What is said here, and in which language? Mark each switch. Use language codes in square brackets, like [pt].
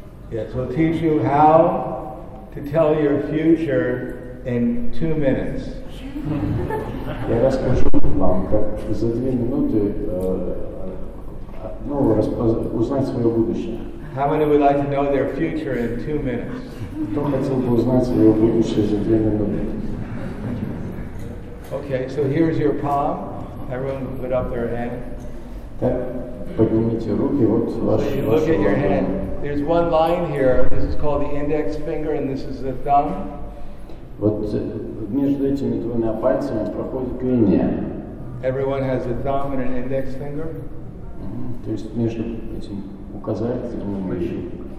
[en] We'll teach you how to tell your future in 2 minutes. [ru] Я расскажу вам, как за 2 минуты узнать свое будущее. [en] How many would like to know their future in 2 minutes? [ru] Кто хотел бы узнать свое будущее за 2 минуты? [en] Okay, so here's your palm. Everyone put up their hand. [ru] Поднимите руки, вот ваши руки. [en] Look at your hand. There's one line here. This is called the index finger, and this is the thumb. [ru] Вот между этими двумя пальцами проходит линия. [en] Everyone has a thumb and an index finger. [ru] То есть между этим указательным и большим.